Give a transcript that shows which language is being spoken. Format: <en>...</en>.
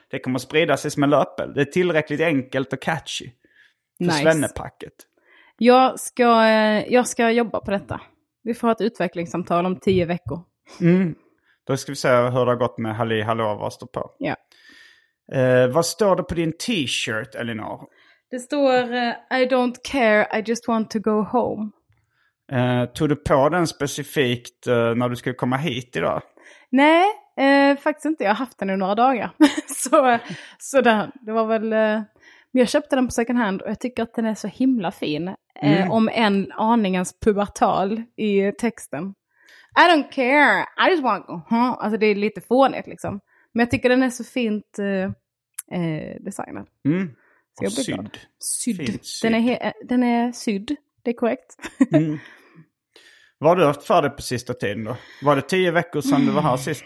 <sv>Det kommer att sprida sig som en löpel. Det är tillräckligt enkelt och catchy för nice. Svennepacket. Jag ska jobba på detta. Vi får ha ett utvecklingssamtal om 10 veckor. Mm. Då ska vi se hur det har gått med halli hallå, vad står på? Ja. Vad står det på din t-shirt, Elinor? Det står,</sv> <en>I don't care, I just want to go home.</en> <sv>Tog du på den specifikt när du skulle komma hit idag? Nej, faktiskt inte. Jag har haft den i några dagar. så den, det var väl... Men jag köpte den på second hand och jag tycker att den är så himla fin. Om en aningens pubertal i texten.</sv> <en>I don't care, I just want to go home.</en> <sv>Alltså det är lite fånigt liksom. Men jag tycker den är så fint designad. Mm. Så jag sydd. Sydd. Den är sydd, det är korrekt. Mm. Vad har du haft för dig på sista tiden då? Var det 10 veckor sedan du var här sist?</sv>